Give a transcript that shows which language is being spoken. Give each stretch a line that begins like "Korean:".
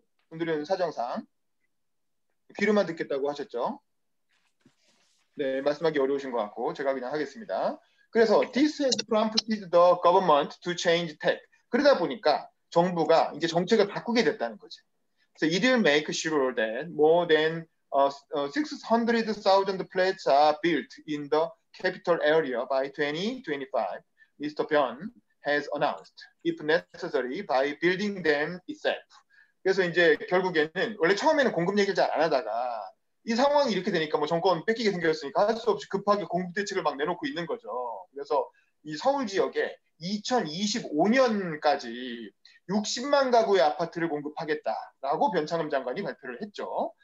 Korean: 분들은 사정상 귀로만 듣겠다고 하셨죠? 네, 말씀하기 어려우신 것 같고 제가 그냥 하겠습니다. 그래서
English: this has prompted the government to change tack.
Korean: 그러다 보니까 정부가 이제 정책을 바꾸게 됐다는 거죠.
English: So it will make sure that more than 600,000 flats are built in the capital area by 2025, Mr. Byun has announced, if necessary, by building them itself.
Korean: 그래서 이제 결국에는 원래 처음에는 공급 얘기를 잘 안 하다가 이 상황이 이렇게 되니까 뭐 정권 뺏기게 생겼으니까 할 수 없이 급하게 공급 대책을 막 내놓고 있는 거죠. 그래서 이 서울 지역에 2025년까지 60만 가구의 아파트를 공급하겠다라고 변창흠 장관이 발표를 했죠.